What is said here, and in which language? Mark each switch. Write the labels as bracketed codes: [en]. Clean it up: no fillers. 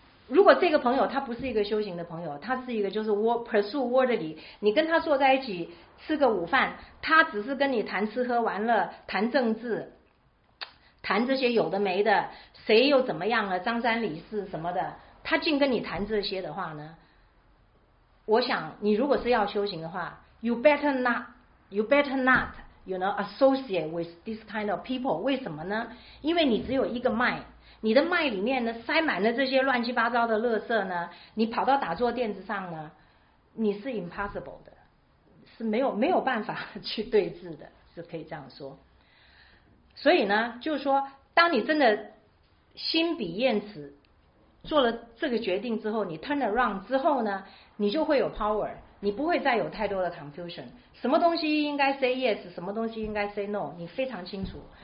[zh] 如果这个朋友他不是一个修行的朋友，他是一个就是 [en] pursue world [zh] 里，你跟他坐在一起吃个午饭，他只是跟你谈吃喝玩乐，谈政治，谈这些有的没的，谁又怎么样了，张三李四什么的，他竟跟你谈这些的话呢，我想你如果是要修行的话 [en] you better not you know associate with this kind of people。 [zh] 为什么呢？因为你只有一个脉，你的脉里面呢塞满了这些乱七八糟的垃圾呢，你跑到打坐垫子上呢，你是 impossible 的，是没有办法去对治的，是可以这样说。所以呢就是说当你真的心比厌此做了这个决定之后，你 [en] turn around [zh] 之后呢，你就会有 power， 你不会再有太多的 confusion， 什么东西应该 [en] say yes， [zh] 什么东西应该 [en] say no， [zh] 你非常清楚。